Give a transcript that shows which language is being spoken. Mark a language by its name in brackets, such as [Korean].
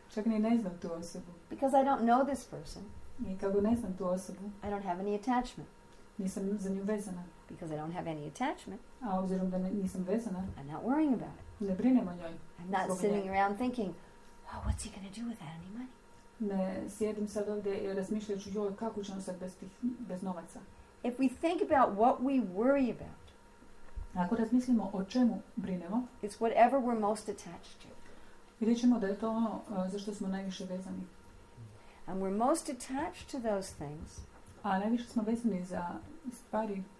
[Croatian] Čak ni ne znam tu osobu. [English] Because I don't know this person. [Croatian] Nikako ne znam tu osobu. [English] I don't have any attachment. [Croatian] Nisam za nju vezana. [English] Because I don't have any attachment. [Croatian] A obzirom da nisam vezana. [English] I'm not worrying about it. [Croatian] Ne brinem o njoj. [English] I'm not sitting around thinking, oh, what's he going to do with that any money? [Croatian] Ne sjedim sad ovdje i razmišljajući, joj, kako ćemo sad bez novaca. [English] If we think about what we worry about, [Croatian] ako razmislimo o čemu brinemo, [English] it's whatever we're most attached to. [Croatian] Vidjet ćemo da je to ono za što smo najviše vezani. [English] And we're most attached to those things, [Croatian] a najviše smo vezani za stvari